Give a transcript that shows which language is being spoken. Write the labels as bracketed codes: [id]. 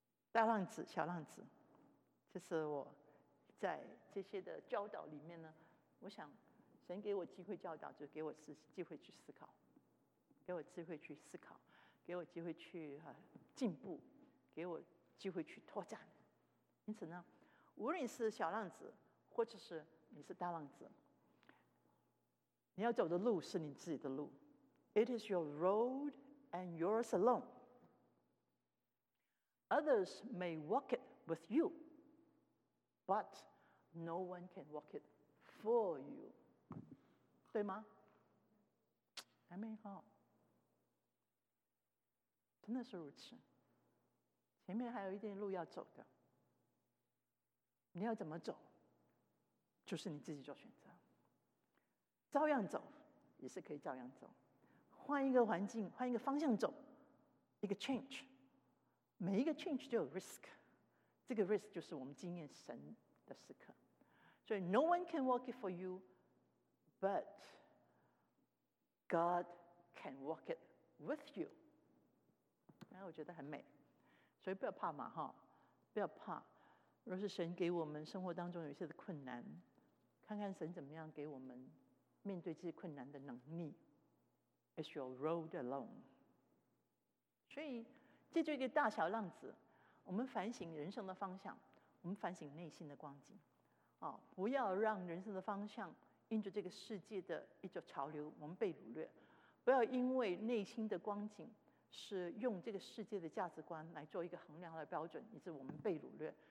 [zh] 大浪子小浪子，这是我在这些的教导里面呢，我想神给我机会教导，就给我机会去思考，给我机会去思考，给我机会去进步，给我机会去拓展。因此呢，无论是小浪子或者是你是大浪子，你要走的路是你自己的路。 [en] It is your road and yours alone. Others may walk it with you, but no one can walk it for you. [zh] 对吗？还没好，真的是如此。前面还有一点路要走的，你要怎么走就是你自己做选择。照样走也是可以照样走，换一个环境，换一个方向走，一个 change， 每一个 change 就有 risk， 这个 risk 就是我们经验神的时刻。 [en] 所以 no one can walk it for you， but God can walk it with you。 [zh] 然后我觉得很美，所以不要怕嘛，不要怕。若是神给我们生活当中有一些的困难，看看神怎么样给我们面对这些困难的能力。 [en] It's your road alone。 [zh] 所以这就一个大小浪子，我们反省人生的方向，我们反省内心的光景，不要让人生的方向因着这个世界的一种潮流我们被掳掠，不要因为内心的光景是用这个世界的价值观来做一个衡量的标准，以致我们被掳掠。